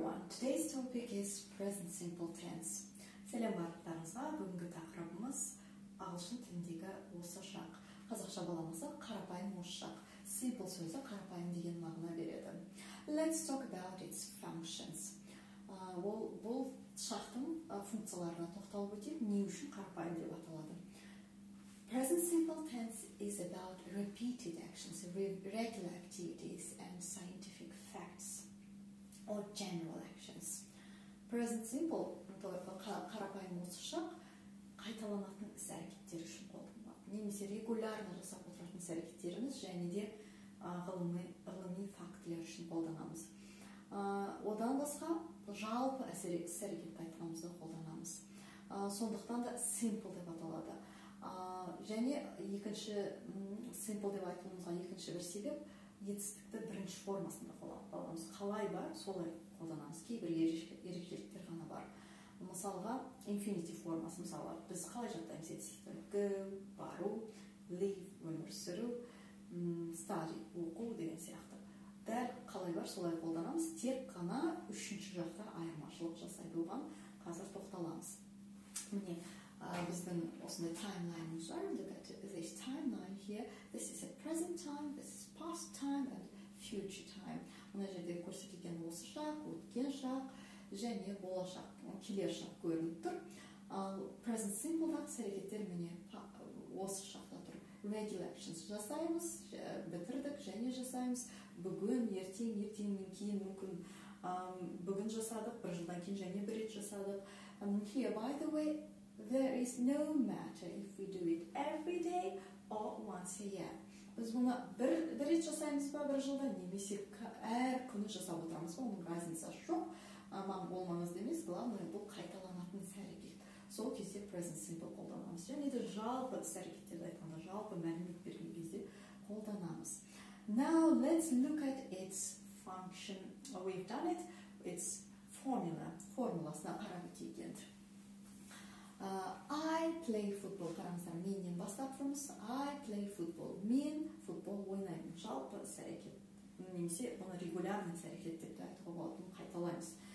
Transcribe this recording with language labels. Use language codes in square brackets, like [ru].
[en] Today's topic is present simple tense. [kk] Сәлеметсіздер, бүгінгі тақырыбымыз ағылшын тіліндегі осы шақ. Қазақша баламызды қарапайым осы шақ. Simple сөзі қарапайым деген мағына береді. [en] Let's talk about its functions. [kk] Бұл шақтың функцияларына тоқталып өтейік, не үшін қарапайым деп аталады. [en] Present simple tense is about repeated actions, regular activities and scientific facts or general actions. [kk] Present simple, қарапайым осы шақ, қайталанатын іс-әрекеттер үшін қолданылады. Немесе регулярно жасап отыратын іс-әрекеттеріміз және де ғылыми фактілер үшін қолданамыз. Одан басқа жалпы іс-әрекетті айтқанымызда қолданамыз. Сондықтан да simple деп аталады. Және екінші simple деп айтуымызға екінші бір себеп етістікті бірінші формасында қолданамыз. Қалай бар, солай қолданамыз. Кейбір ерекшеліктер ғана бар. Мысалға infinitive формасы, мысалға біз қалай жаттаймыз етістікті? Go, бару, live, өмір сүру, study, оқу деген сияқты. Дәл қалай бар, солай қолданамыз. Тек қана үшінші жақта айырмашылық жасайды оған. Қазір тоқталамыз. Міне. Біздің осында timeline-ымыз бар. [en] Look at this timeline here. This is a present time, this is past time and future time. [kk] Мына жерде көрсетілген осы шақ, өткен шақ, және болашақ, келер шақ көрініп тұр. Ал present simple-дағы іс-әрекеттер міне осы шақта тұр. Regular actions жасаймыз, бітірдік және жасаймыз. Бүгін, ертең, ертеңнен кейін мүмкін. Бүгін жасадық, бір жылдан кейін және бір рет жасадық. [en] Here, by the way, there is no matter if we do it every day or once a year. [kk] Біз бұны бір рет жасаймыз ба бір жылда, немесе әр күні жасап отырамыз ба, оның разница жоқ. Маң болмаңызды емес, главное бұл қайталанатын іс-әрекет. Сол кезде present simple қолданамыз. Және де жалпы іс-әрекеттерді айтқанда, жалпы мәлімет берген кезде қолданамыз. [en] Now let's look at its function. We've done it. Its formula. [kk] Формуласына қарап өтейік енді. [en] I play football. [kk] Қараңыздар, менен бастап тұрмыз. [en] I play football. [kk] Мен футбол ойнаймын. Жалпы іс-әрекет. Немесе бұны регулярный іс-әрекет деп айтуға болатынын қайталаймыз.